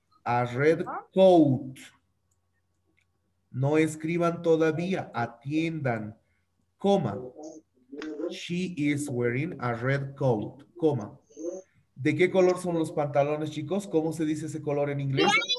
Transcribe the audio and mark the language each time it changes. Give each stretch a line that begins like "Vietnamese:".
English: A red coat.
Spanish: No escriban todavía, atiendan. Coma.
English: She is wearing a red coat.
Spanish: Coma. ¿De qué color son los pantalones, chicos? ¿Cómo se dice ese color en inglés?